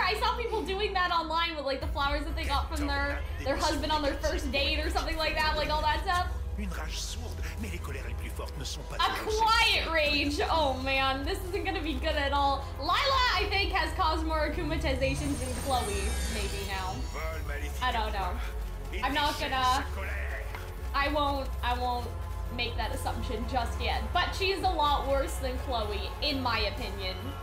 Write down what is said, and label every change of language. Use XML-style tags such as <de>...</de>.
<en>I saw people doing that online with like the flowers that they got from their husband on their first date or something like that, like all that stuff.</en> <fr>Une rage sourde, mais les colères les plus fortes ne sont pas.</fr> <en>A quiet rage. Oh man, this isn't gonna be good at all. Lila, I think, has caused more akumatizations than Chloe, maybe now. I don't know. I'm not gonna. I won't make that assumption just yet. But she's a lot worse than Chloe, in my opinion.</en>